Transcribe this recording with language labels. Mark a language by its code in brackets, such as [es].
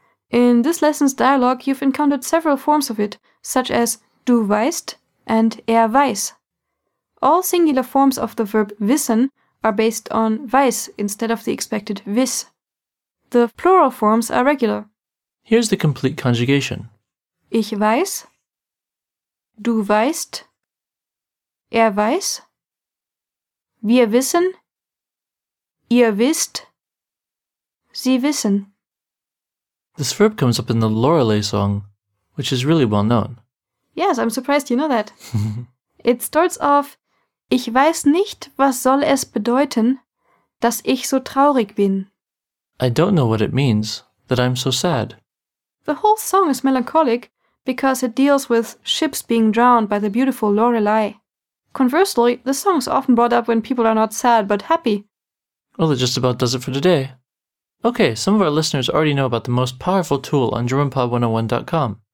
[en] In this lesson's dialogue, you've encountered several forms of it, such as du weißt and weiß. All singular forms of the verb wissen are based on weiß instead of the expected wiss. The plural forms are regular. Here's the complete conjugation. [de] Ich weiß, du weißt, weiß, wir wissen, ihr wisst, sie wissen. [en] This verb comes up in the Lorelei song, which is really well known. Yes, I'm surprised you know that. It starts off, [de] ich weiß nicht, was soll es bedeuten, dass ich so traurig bin. [en] I don't know what it means, that I'm so sad. The whole song is melancholic because it deals with ships being drowned by the beautiful Lorelei. Conversely, the song is often brought up when people are not sad but happy. Well, that just about does it for today. Okay, some of our listeners already know about the most powerful tool on GermanPod101.com.